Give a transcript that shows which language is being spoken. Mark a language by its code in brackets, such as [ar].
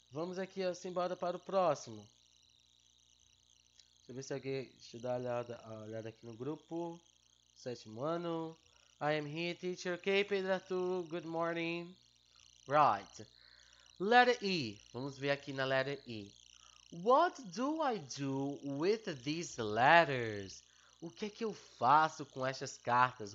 [pt] Vamos aqui, assim, bora para o próximo. Deixa eu ver se alguém. Deixa eu dar uma olhada aqui no grupo. Sétimo ano. [en] I am here, teacher. Ok, Pedro Arthur. Good morning. Right. Letter E. [pt] Vamos ver aqui na letra E. [en] What do I do with these letters? [pt] O que é que eu faço com essas cartas?